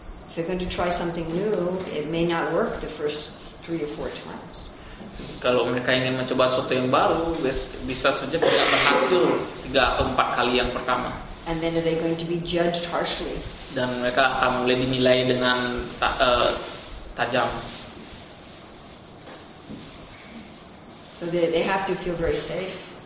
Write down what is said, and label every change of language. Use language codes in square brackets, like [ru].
[en] If they're going to try something new, it may not work the first 3 or 4 times. [id] Kalau mereka ingin mencoba sesuatu yang baru, bisa saja tidak berhasil 3 atau 4 kali yang pertama. [en] And then are they going to be judged harshly? [id] Dan mereka akan mulai dinilai dengan tajam. [en] So they have to feel very safe.